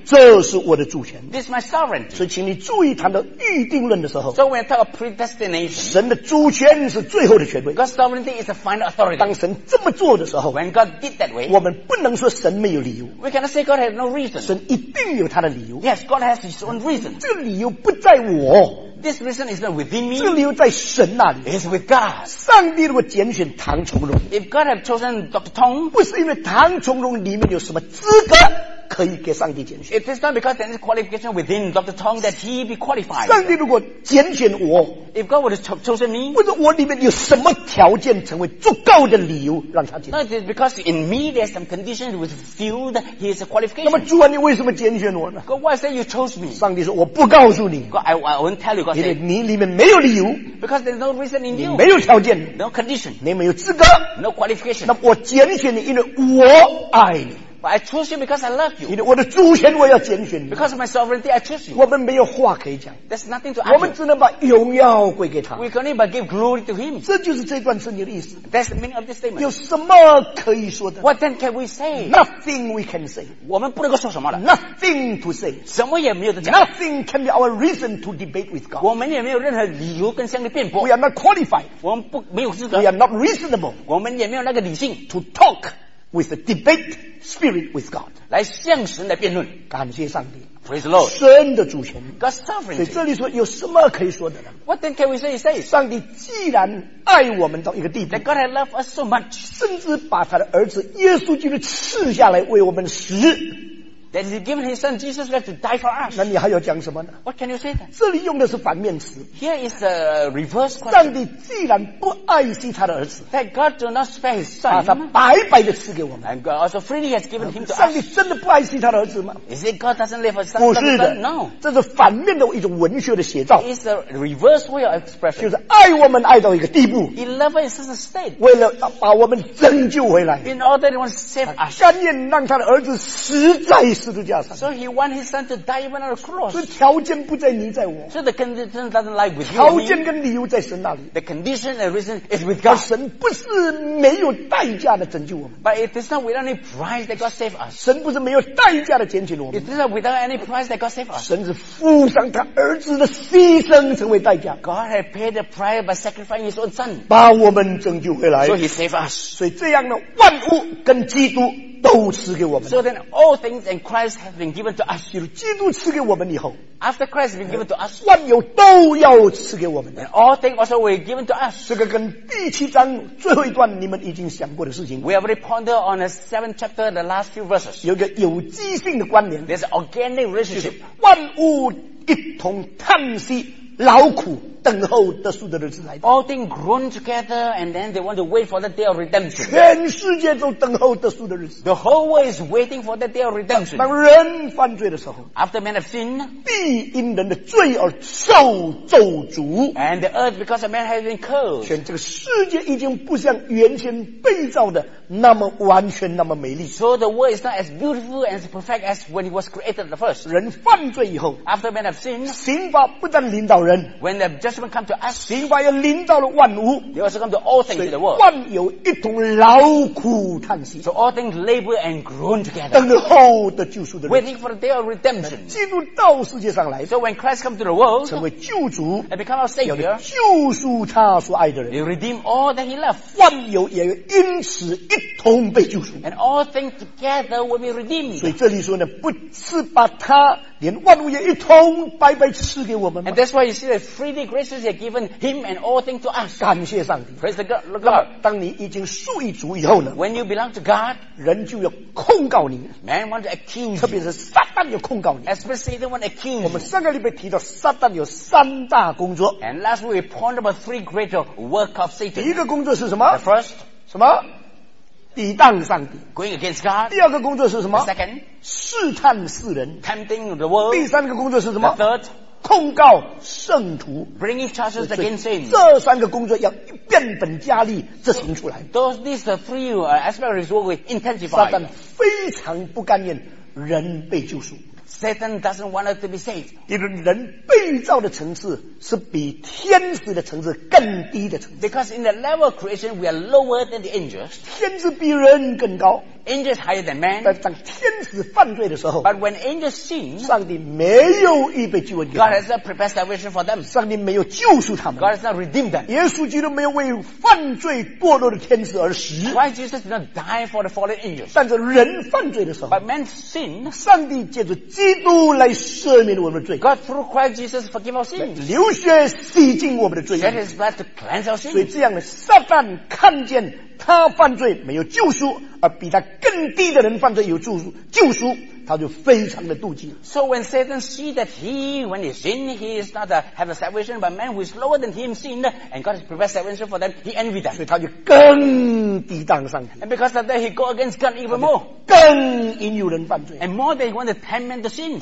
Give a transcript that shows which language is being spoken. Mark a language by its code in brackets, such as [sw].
[zh] 这是我的主权。 [en] This is my sovereignty. [zh] 所以请你注意谈到预定论的时候。 [en] So when I talk about predestination, [zh] 神的主权是最后的权威。 [en] God's sovereignty is the final authority. [zh] 当神这么做的时候 [en] ，When God did that way, [zh] 我们不能说神没有理由。 [en] We cannot say God has no reason. [zh] 神一定有他的理由。 [en] Yes, God has his own reason. [zh] 这个理由不在我。 [en] This reason is not within me. [zh] 这个理由在神那里。 [en] It's with God. [zh] 上帝如果拣选唐崇荣 [en] ，If God have chosen Dr. Tong, [zh] 不是因为唐崇荣里面有什么资格可以给上帝拣选。 [en] It is not because there is qualification within Dr. Tong that he be qualified. [zh] 上帝如果拣选我 [en] ，If God would have chosen me, [zh] 不是我里面有什么条件成为足够的理由让他拣选。 [en] No, it is because in me there are some conditions which fulfilled his qualification. [zh] 那么主啊，你为什么拣选我呢 [en] ？God, why say you chose me? [zh] 上帝说，我不告诉你。 [en] God, I won't tell you. [zh] 因为你里面没有理由 [en] ，because there's no reason in you， [zh] 你没有条件 [en] ，no condition， [zh] 你没有资格 [en] ，no qualification。 [zh] 那我拣选你，因为我爱你 [en] ，but I choose you because I love you。 [zh] 因为我的主权，我要拣选你 [en] ，because of my sovereignty I choose you。 [zh] 我们没有话可以讲 [en] ，there's nothing to argue。 [zh] 我们只能把荣耀归给他 [en] ，we can only but give glory to him。 [zh] 这就是这段圣经的意思 [en] ，that's the meaning of this statement。 [zh] 有什么可以说的 [en] ？What then can we say？ Nothing we can say。 [zh] 我们不能够说什么了 [en] ？Nothing to say。 [zh] 什么也没有的讲 [en] ，nothing can be our reason to debate with God。 [zh] 我们也没有任何理由跟上帝辩驳 [en] ，we are not qualified。 [zh] 我们不没有资格 [en] ，we are not reasonable。 [zh] 我们也没有那个理性 [en] to talk with the debate spirit with God。 [zh] 来向神来辩论，感谢上帝。 [en] Praise the Lord. [zh] 神的主权 [en] God's sovereignty. [zh] 所以这里说有什么可以说的呢 [en] What then can we say? [zh] 上帝既然爱我们到一个地步 [en] That God has loved us so much. [zh] 甚至把他的儿子耶稣基督赐下来为我们死 [en] That he given his son Jesus left to die for us. [zh] 那你还要讲什么呢 [en] What can you say then? [zh] 这里用的是反面词 [en] Here is a reverse question. [zh] 上帝既然不爱惜他的儿子 [en] That God do not spare his son. [zh] 把他白白的赐给我们 [en] And God also freely has given him to us. [zh] 上帝真的不爱惜他的儿子吗 [en] Is it God doesn't live for his son? [zh] 不是的 [en] No. [zh] 这是反面的一种文学的写照 [en] It's a reverse way of expression. [zh] 就是爱我们爱到一个地步 [en] He loves us in a state. [zh] 为了把我们拯救回来 [en] In order that he wants to save us. [zh] 甘愿让他的儿子死在 [en] So he wants his son to die even on the cross. [zh] 所以条件不在你在我。 [en] So the condition doesn't lie with you. [zh] 条件跟理由在神那里。 [en] The condition and reason is with God. [zh] 神不是没有代价的拯救我们。 [en] But it is not without any price that God saved us. [zh] 神不是没有代价的拣选我们。 [en] It is not without any price that God saved us. [zh] 神是付上他儿子的牺牲成为代价。 [en] God had paid the price by sacrificing his own son. [zh] 把我们拯救回来。 [en] So he saved us. [zh] 所以这样呢，万物跟基督。都赐给我们。 [en] So then, all things in Christ have been given to us. [zh] 基督赐给我们以后 [en] ，After Christ has been given to us, [zh] 万有都要赐给我们。 [en] And all things also were given to us. [zh] 这个跟第七章最后一段你们已经想过的事情。 [en] We have already pondered on the seventh chapter, the last few verses. [zh] 有个有机性的关联。 [en] There's an organic relationship. [zh] 万物一同叹息。劳苦等候得赎的日子来 [en] All things groan together and then they want to wait for the day of redemption [zh] 全世界都等候得赎的日子 [en] The whole world is waiting for the day of redemption [zh] 当人犯罪的时候 [en] After man have sinned [zh] 必因人的罪而受咒诅 [en] And the earth because of man has been cursed [zh] 全这个世界已经不像原先被造的那么完全那么美丽 [en] So the world is not as beautiful and as perfect as when it was created the first [zh] 人犯罪以后 [en] After man have sinned [zh] 刑罚不但临到人 [en] When the judgment come to us [zh] 刑罚也临到了万物 [en] They also come to all things in the world [zh] 万有一同劳苦叹息 [en] So all things labor and groan together [zh] 等候的救赎的人 [en] Waiting for the day of redemption [zh] 基督到世界上来 [en] So when Christ come to the world [zh] 成为救主 [en] And become our savior [zh] 要救赎他所爱的人 [en] He redeem all that he loved [zh] 万有也因此一同被救赎 [en] And all things together will be redeemed [zh] 所以这里说呢不是把他连万物也一同白白赐给我们 [en] And that's why you see that freely graces have given him and all things to us [zh] 感谢上帝 [en] Praise the God, the God [zh] 当你已经属于主以后呢 [en] When you belong to God [zh] 人就要控告你 [en] Man wants to accuse [zh] 特别是撒旦要控告你 [en] Especially the one accused [zh] 我们上个礼拜提到撒旦有三大工作 [en] And last week we point about three greater work of Satan [zh] 第一个工作是什么 [en] The first [zh] 什么抵挡上帝 [en] Going against God [zh] 第二个工作是什么 [en] The second [zh] 试探世人 [en] Tempting the world [zh] 第三个工作是什么 [en] The third [zh] 控告圣徒 [en] Bringing charges against saints [zh] 这三个工作要变本加厉执行出来 [en] Those these are three aspects will be intensified [zh] 撒旦非常不甘愿人被救赎 [en] Satan doesn't want us to be saved. [zh] 因为人被造的层次是比天使的层次更低的层次。 [en] Because in the level of creation, we are lower than the angels. [zh] 天使比人更高。 [en] Angels higher than man. [zh] 但当天使犯罪的时候 [en] ，But when angels sin, [zh] 上帝没有预备救恩。 [en] God has not prepared salvation for them. [zh] 上帝没有救赎他们。 [en] God has not redeemed them. [zh] 耶稣基督没有为犯罪堕落的天使而死。 [en] Why Jesus did not die for the fallen angels? [zh] 但是人犯罪的时候 [en] ，But man sin, [zh] 上帝借着基督来赦免我们的罪。 [en] God through Christ Jesus forgive our sins. [zh] 流血洗净我们的罪。 [en] Shed His blood to cleanse our sins. [zh] 所以这样的撒旦看见。他犯罪没有救赎，而比他更低的人犯罪有救赎，他就非常的妒忌。 [en] So when Satan see that he, when he sin, he is not a, have a salvation, but man who is lower than him sinned, and God has prepared salvation for them, he envy them. [zh] 所以他就更抵挡上帝。 [en] And because of that, he go against God even more. [zh] 更引诱人犯罪。 [en] And more than he want to tempt men to sin.